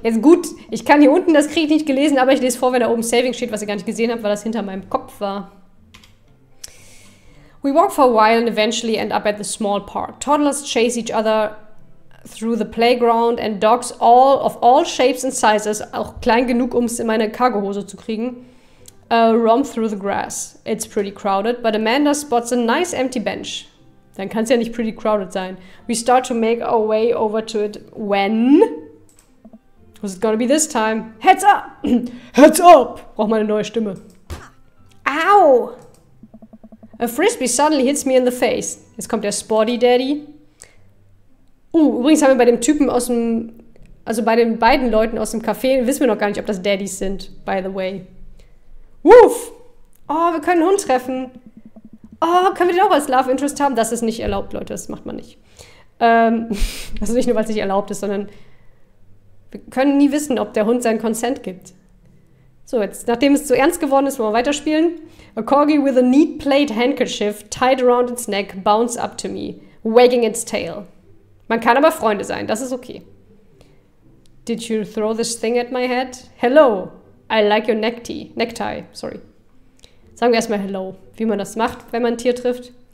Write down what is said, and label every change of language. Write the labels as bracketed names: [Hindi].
[German] Jetzt gut, ich kann hier unten, das kriege ich nicht gelesen, aber ich lese vor, wenn da oben Saving steht, was ich gar nicht gesehen habe, weil das hinter meinem Kopf war. [English] We walk for a while and eventually end up at the small park. Toddlers chase each other through the playground and dogs all of all shapes and sizes, [German] auch klein genug, um es in meine Cargohose zu kriegen, [English] roam through the grass. It's pretty crowded, but Amanda spots a nice empty bench. [German] Dann kann es ja nicht [English] pretty crowded [German] sein. [English] We start to make our way over to it when... [German] Was ist [English] gonna be this time? Heads up! Heads up! [German] Braucht mal eine neue Stimme. Ow! [English] A frisbee suddenly hits me in the face. [German] Jetzt kommt der Sporty Daddy. Übrigens haben wir bei dem Typen aus dem... Also bei den beiden Leuten aus dem Café, wissen wir noch gar nicht, ob das Daddies sind, [English] by the way. [German] Woof! Oh, wir können einen Hund treffen. Oh, können wir den auch als Love Interest haben? Das ist nicht erlaubt, Leute, das macht man nicht. Also nicht nur, weil es nicht erlaubt ist, sondern... Wir können nie wissen, ob der Hund seinen Consent gibt. So, jetzt, nachdem es so ernst geworden ist, wollen wir weiterspielen. [English] A corgi with a neat plaid handkerchief tied around its neck bounce up to me, wagging its tail. [German] Man kann aber Freunde sein, das ist okay. [English] Did you throw this thing at my head? Hello, I like your necktie, sorry. [German] Sagen wir erstmal hello, wie man das macht, wenn man ein Tier trifft.